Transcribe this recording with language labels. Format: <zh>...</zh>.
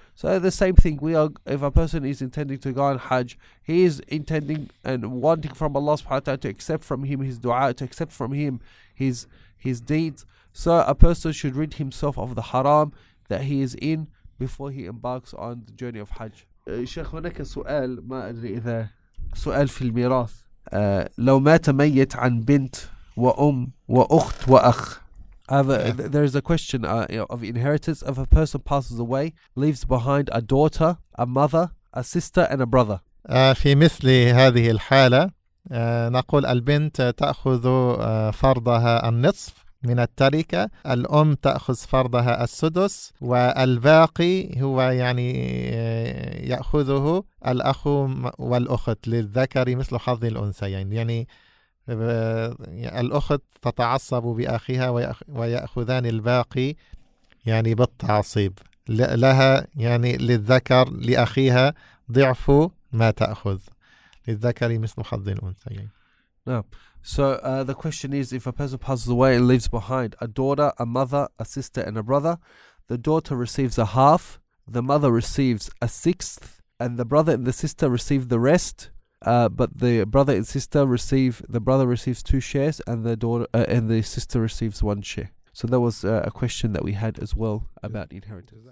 <en>So the same thing, if a person is intending to go on Hajj, he is intending and wanting from Allah</en> <ar>subhanahu wa ta'ala</ar> <en>to accept from him his dua, to accept from him his deeds. So a person should rid himself of the haram that he is in before he embarks on the journey of Hajj.</en> <ar>Sheikh, هناك سؤال ما أدري إذا سؤال في الميراث. لو مات ميت عن بنت وأم وأخت وأخ.</ar> <en>There is a question of inheritance. If a person passes away, leaves behind a daughter, a mother, a sister, and a brother.</en> <ar>في مثل هذه الحالة نقول البنت تأخذ فرضها النصف من التركة، الأم تأخذ فرضها السدس، والباقي هو يعني يأخذه الأخ والأخت للذكر مثل حظ الأنثيين، يعني الأخت تتعصب بأخيها ويأخذان الباقي يعني بالتعصيب لها، يعني للذكر لأخيها ضعف ما تأخذ للذكر مثل حظ الأنثيين. نعم.</ar> <en>So the question is, if a person passes away and leaves behind a daughter, a mother, a sister, and a brother, the daughter receives a half, the mother receives a sixth, and the brother and the sister receive the rest, but the brother and sister receive, the brother receives two shares, and the daughter and the sister receives one share. So that was a question that we had as well about inheritance.</en>